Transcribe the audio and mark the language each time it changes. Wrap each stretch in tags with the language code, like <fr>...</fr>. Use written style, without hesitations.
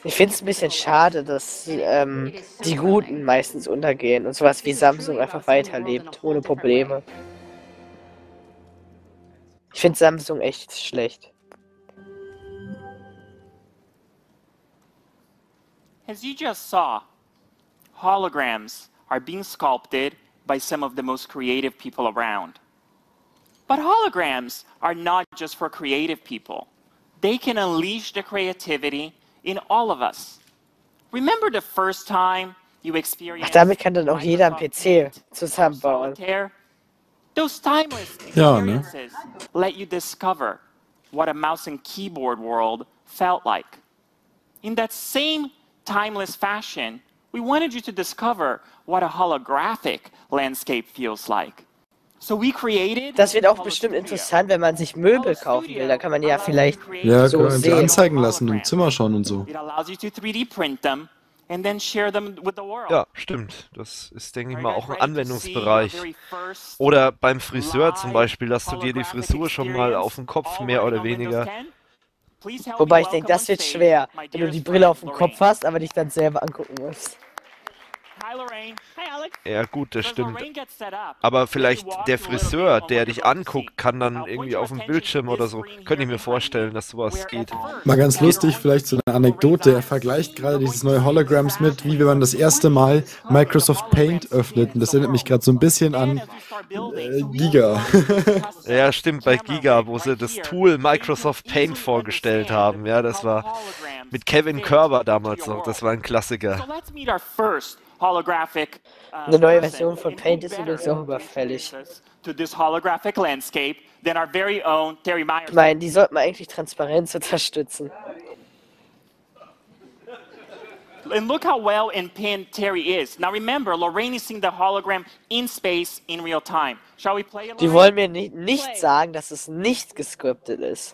<de>Ich finde es ein bisschen schade, dass die Guten meistens untergehen und sowas wie Samsung einfach weiterlebt, ohne Probleme. Ich finde Samsung echt schlecht.</de> <en>As you just saw, holograms are being sculpted by some of the most creative people around. But holograms are not just for creative people. They can unleash the creativity in all of us. Remember the first time you experienced.</en> <de>Ach, damit kann dann auch jeder einen PC zusammenbauen.</de> <en>Those timeless experiences,</en> <de>ja, ne?</de> <en>Let you discover what a mouse and keyboard world felt like. In that same timeless fashion, we wanted you to discover what a holographic landscape feels like. So we created.</en> <de>Das wird auch bestimmt interessant, wenn man sich Möbel kaufen will. Da kann man ja vielleicht ja, so kann man sehen. Sie anzeigen lassen, im Zimmer schauen und so.</de> <en>It allows you to 3D print them and then share them with the world.</en> <de>Ja, stimmt. Das ist, denke ich mal, auch ein Anwendungsbereich. Oder beim Friseur zum Beispiel, dass du dir die Frisur schon mal auf den Kopf mehr oder weniger. Wobei ich denke, das wird schwer, wenn du die Brille auf dem Kopf hast, aber dich dann selber angucken musst.</de> <en>Hi Lorraine. Hi Alex.</en> <de>Ja gut, das stimmt. Aber vielleicht der Friseur, der dich anguckt, kann dann irgendwie auf dem Bildschirm oder so, könnte ich mir vorstellen, dass sowas geht. Mal ganz lustig, vielleicht so eine Anekdote. Er vergleicht gerade dieses neue Holograms mit, wie wenn man das erste Mal Microsoft Paint öffnet. Und das erinnert mich gerade so ein bisschen an Giga. Ja stimmt, bei Giga, wo sie das Tool Microsoft Paint vorgestellt haben. Ja, das war mit Kevin Körber damals noch. Das war ein Klassiker. Holographic, eine neue Version von Paint ist übrigens auch überfällig.</de> <en>To this holographic landscape than our very own Terry Myers.</en> <de>Ich meine, die sollten eigentlich Transparenz unterstützen.</de> <en>And look how well in pin Terry is. Now remember, Lorraine is seeing the hologram in space in real time. Shall we play it?</en> <de>Die wollen mir nicht sagen, dass es nicht gescriptet ist.</de>